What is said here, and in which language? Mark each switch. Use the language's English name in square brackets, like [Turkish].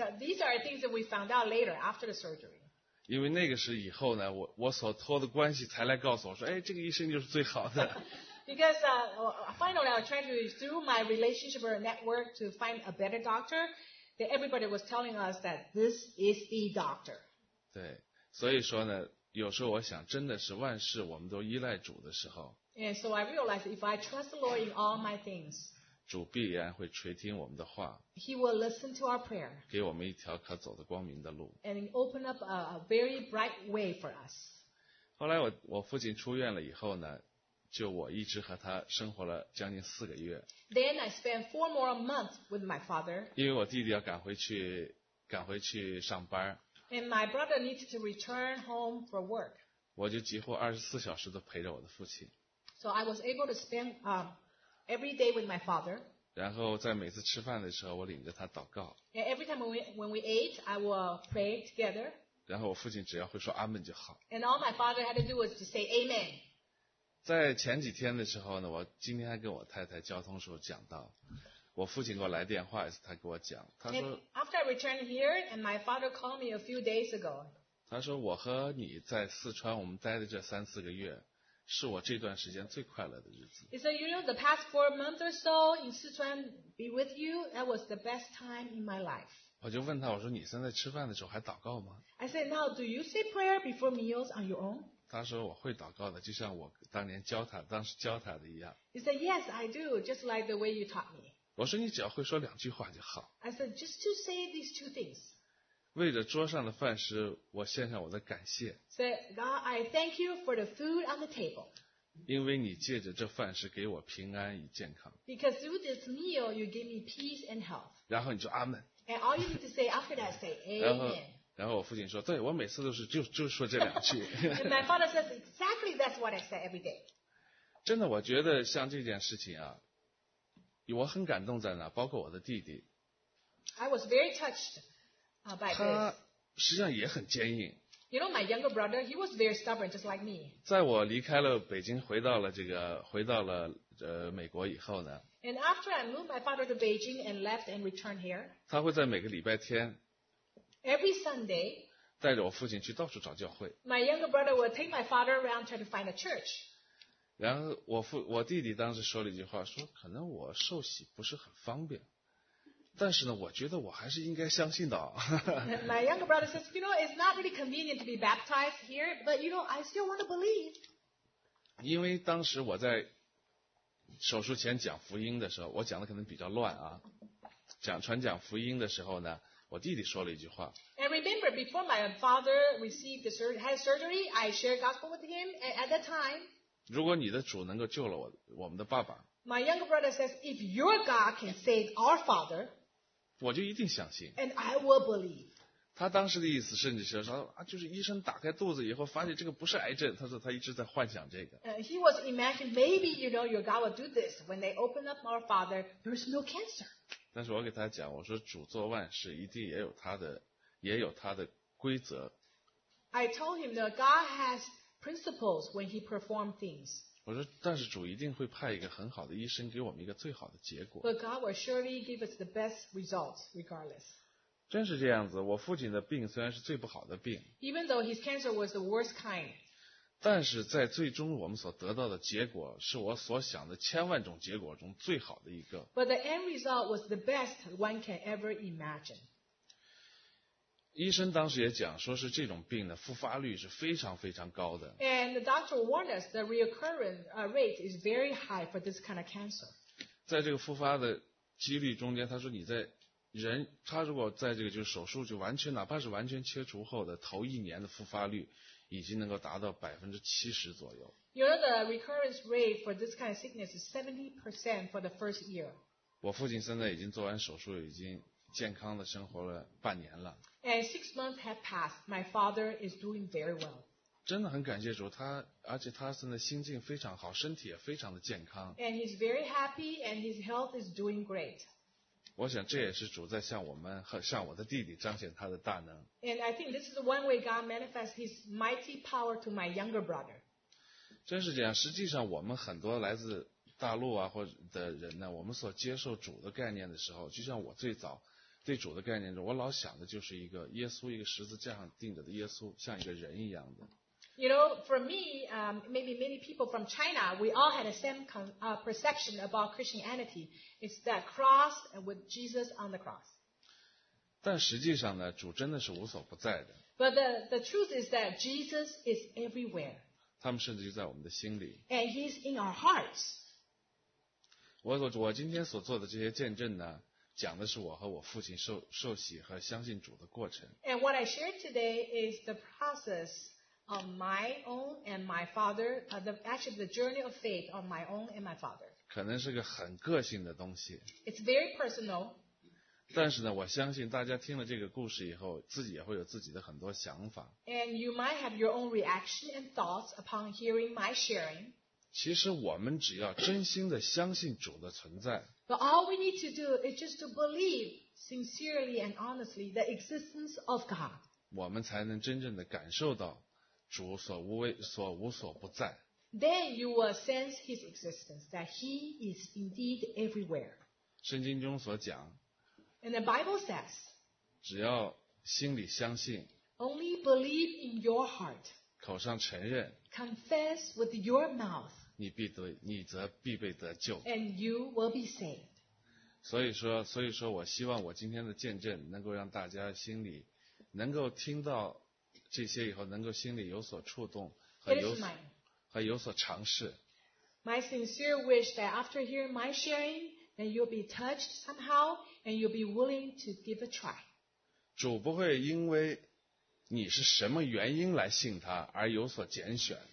[English] Yeah, these are things that we found out later after the surgery. [Chinese] 因为那个时以后呢，我所托的关系才来告诉我说，哎，这个医生就是最好的。 [English] Because finally, I was trying to through my relationship or network to find a better doctor. That everybody was telling us that this is the doctor. [Chinese] 对，所以说呢，有时候我想，真的是万事我们都依赖主的时候。 [English] And so I realized if I trust the Lord in all my things, [Chinese] 主必然会垂听我们的话。 [English] He will listen to our prayer. [Chinese] 给我们一条可走的光明的路。 [English] And open up a very bright way for us. [Chinese] 后来我父亲出院了以后呢，就我一直和他生活了将近四个月。 [English] Then I spent four more months with my father. [Chinese] 因为我弟弟要赶回去上班。 [English] And my brother needed to return home for work. [Chinese] 我就几乎二十四小时都陪着我的父亲。 [English] So I was able to spend every day with my father. [Chinese] 然后在每次吃饭的时候，我领着他祷告。 [English] And every time when we ate, I will pray together. [Chinese] 然后我父亲只要会说阿门就好。 [English] And all my father had to do was to say amen. [Chinese] 在前几天的时候呢，我今天还跟我太太交通时候讲到。我父亲给我来电话，也是他给我讲。他说 [English] ，After I returned here, and my father called me a few days ago. [Chinese] 他说，我和你在四川，我们待的这三四个月，是我这段时间最快乐的日子。 [English] He said, you know, the past four months or so in Sichuan, be with you, that was the best time in my life. [Chinese] 我就问他，我说，你现在吃饭的时候还祷告吗 [English] ？I said, now, do you say prayer before meals on your own? [Chinese] 他说，我会祷告的，就像我当时教他的一样。 [English] He said, yes, I do, just like the way you taught me. [Chinese] 我说你只要会说两句话就好。 [English] I said just to say these two things. [Chinese] 为着桌上的饭食，我献上我的感谢。 [English] Say God, I thank you for the food on the table. [Chinese] 因为你借着这饭食给我平安与健康。 [English] Because through this meal, you give me peace and health. [Chinese] 然后你就阿门。 [English] And all you need to say after that, say amen. [Chinese] 然后我父亲说，对，我每次都是就说这两句。 [English] And my father says exactly that's what I say every day. [Chinese] 真的，我觉得像这件事情啊。我很感动在哪，包括我的弟弟。 [English] I was very touched by this. [Chinese] 他实际上也很坚硬。 [English] You know, my younger brother, he was very stubborn, just like me. [Chinese] 在我离开了北京，回到了美国以后呢。 [English] And after I moved my father to Beijing and left and returned here. [Chinese] 他会在每个礼拜天。 [English] Every Sunday. [Chinese] 带着我父亲去到处找教会。 [English] My younger brother would take my father around trying to find a church. [Chinese] 然后我弟弟当时说了一句话，说可能我受洗不是很方便，但是呢，我觉得我还是应该相信的。 [English] My younger brother says, you know, it's not really convenient to be baptized here, but you know, I still want to believe. [Chinese] 因为当时我在手术前讲福音的时候，我讲的可能比较乱啊。传讲福音的时候呢，我弟弟说了一句话。 [English] And remember, before my father received the surgery, I shared gospel with him at that time. [Chinese] 如果你的主能够救了我们的爸爸 [English] ，My younger brother says if your God can save our father， [Chinese] 我就一定相信 [English] ，and I will believe。 [Chinese] 他当时的意思甚至是说啊，就是医生打开肚子以后发现这个不是癌症，他说他一直在幻想这个。 [English] He was imagining maybe you know your God will do this when they open up our father there's no cancer。 [Chinese] 但是我给他讲，我说主做万事一定也有他的规则。 [English] I told him that God has。 Principles when he performed things. [Chinese] 我说，但是主一定会派一个很好的医生给我们一个最好的结果。 [English] But God will surely give us the best results regardless. [Chinese] 真是这样子，我父亲的病虽然是最不好的病。 [English] Even though his cancer was the worst kind. [Chinese] 但是在最终我们所得到的结果是我所想的千万种结果中最好的一个。 [English] But the end result was the best one can ever imagine. [Chinese] 医生当时也讲，说是这种病的复发率是非常非常高的。 [English] And the doctor warned us the recurrent rate is very high for this kind of cancer. [Chinese] 在这个复发的几率中间，他说你在人，他如果在这个就是手术就完全，哪怕是完全切除后的头一年的复发率，已经能够达到70%左右。 [English] You know the recurrence rate for this kind of sickness is 70% for the first year. [Chinese] 我父亲现在已经做完手术，已经。健康的生活了半年了。 [English] And 6 months have passed. My father is doing very well. [Chinese] 真的很感谢主，他而且他现在心境非常好，身体也非常的健康。 [English] And he's very happy, and his health is doing great. [Chinese] 我想这也是主在向我们和向我的弟弟彰显他的大能。 [English] And I think this is one way God manifests His mighty power to my younger brother. [Chinese] 真是这样，实际上我们很多来自。大陆啊，或者的人呢，我们所接受主的概念的时候，就像我最早对主的概念中，我老想的就是一个耶稣，一个十字架上钉着的耶稣，像一个人一样的。 [English] You know, for me, maybe many people from China, we all had the same perception about Christianity. It's that cross with Jesus on the cross. [Chinese] 但实际上呢，主真的是无所不在的。 [English] But the truth is that Jesus is everywhere. [Chinese] 他们甚至就在我们的心里。 [English] And He's in our hearts. [Chinese] 我今天所做的这些见证呢，讲的是我和我父亲受洗和相信主的过程。 [English] And what I shared today is the process of my own and my father, actually the journey of faith of my own and my father. [Chinese] 可能是个很个性的东西。 [English] It's very personal. [Chinese] 但是呢，我相信大家听了这个故事以后，自己也会有自己的很多想法。 [English] And you might have your own reaction and thoughts upon hearing my sharing. [Chinese] 其实我们只要真心的相信主的存在。 [English] But all we need to do is just to believe sincerely and honestly the existence of God. [Chinese] 我们才能真正的感受到主所无所不在。 [English] Then you will sense His existence, that He is indeed everywhere. [Chinese] 圣经中所讲。 [English] And the Bible says. [Chinese] 只要心里相信。 [English] Only believe in your heart. [Chinese] 口上承认 [English] Confess with your mouth, [Chinese] 你则必被得救 [English] And you will be saved. [Chinese] 所以说我希望我今天的见证能够让大家心里能够听到这些以后能够心里有所触动和有所尝试 [English] My sincere wish that after hearing my sharing that you'll be touched somehow and you'll be willing to give a try. [Chinese] 主不会因为你是什么原因来信他而有所拣选